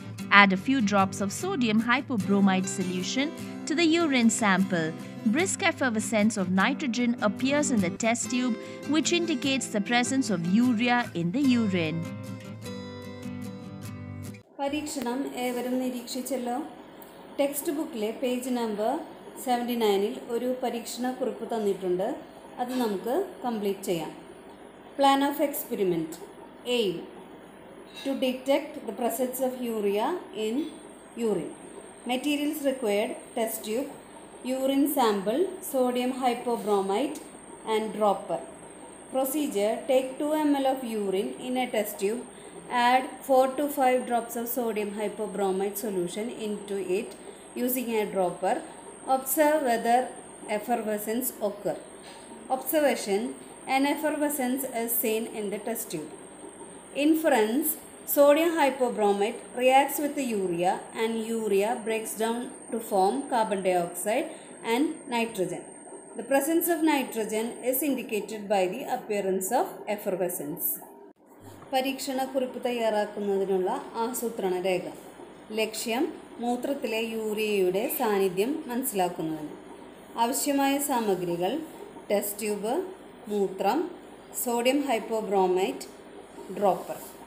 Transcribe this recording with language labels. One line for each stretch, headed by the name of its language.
English: Add a few drops of sodium hypobromite solution to the urine sample. brisk effervescence of nitrogen appears in the test tube, which indicates the presence of urea in the urine.
Malayalam: പരീക്ഷണം ഏവരും നിരീക്ഷിച്ചല്ലോ. Text ബുക്കിലെ page number 79-ൽ ഒരു പരീക്ഷണ കുറിപ്പ് തന്നിട്ടുണ്ട്. അത് നമുക്ക് complete ചെയ്യാം.
English: Plan of experiment. Aim: to detect the presence of urea in urine. Materials required: test tube, urine sample, sodium hypobromite and dropper. Procedure: take 2 ml of urine in a test tube. Add 4 to 5 drops of sodium hypobromide solution into it using a dropper. Observe whether effervescence occurs. Observation: an effervescence is seen in the test tube. Inference: sodium hypobromide reacts with the urea and urea breaks down to form carbon dioxide and nitrogen. The presence of nitrogen is indicated by the appearance of effervescence.
Malayalam: പരീക്ഷണ കുറിപ്പ് തയ്യാറാക്കുന്നതിനുള്ള ആസൂത്രണ രേഖ. ലക്ഷ്യം: മൂത്രത്തിലെ യൂറിയയുടെ സാന്നിധ്യം മനസ്സിലാക്കുന്നതിന്. ആവശ്യമായ സാമഗ്രികൾ: test tube, മൂത്രം, sodium ഹൈപ്പോബ്രോമൈറ്റ്, dropper.